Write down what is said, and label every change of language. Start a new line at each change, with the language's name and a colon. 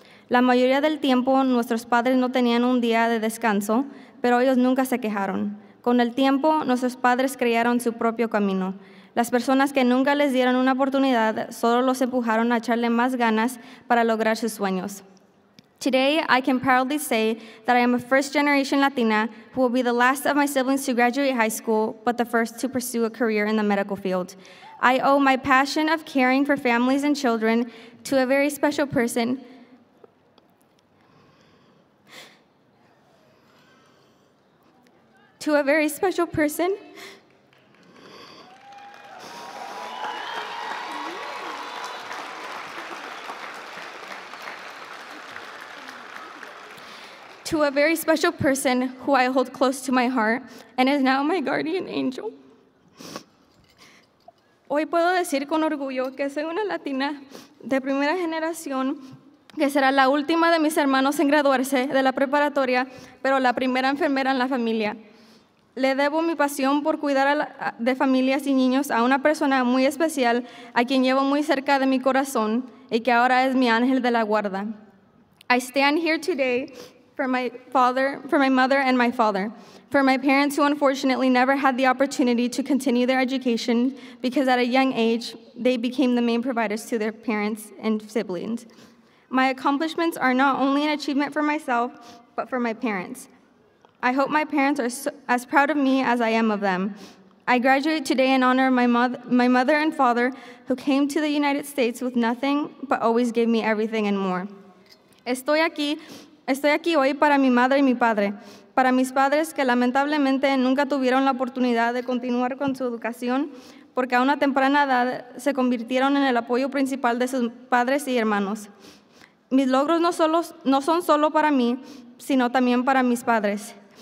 Spanish: La mayoría del tiempo, nuestros padres no tenían un día de descanso, pero ellos nunca se quejaron. Con el tiempo, nuestros padres crearon su propio camino. Las personas que nunca les dieron una oportunidad solo los empujaron a echarle más ganas para lograr sus sueños.
English: Today, I can proudly say that I am a first-generation Latina who will be the last of my siblings to graduate high school, but the first to pursue a career in the medical field. I owe my passion of caring for families and children to a very special person. To a very special person. To a very special person who I hold close to my heart and is now my guardian angel.
Spanish: Hoy puedo decir con orgullo que soy una Latina de primera generación que será la última de mis hermanos en graduarse de la preparatoria, pero la primera enfermera en la familia. Le debo mi pasión por cuidar de familias y niños a una persona muy especial a quien llevo muy cerca de mi corazón y que ahora es mi ángel de la guarda.
English: I stand here today for my father, for my mother and my father, for my parents who unfortunately never had the opportunity to continue their education because at a young age, they became the main providers to their parents and siblings. My accomplishments are not only an achievement for myself, but for my parents. I hope my parents are as proud of me as I am of them. I graduate today in honor of my mother and father who came to the United States with nothing but always gave me everything and more.
Spanish: Estoy aquí hoy para mi madre y mi padre, para mis padres que lamentablemente nunca tuvieron la oportunidad de continuar con su educación porque a una temprana edad se convirtieron en el apoyo principal de sus padres y hermanos. Mis logros no son solo para mí, sino también para mis padres.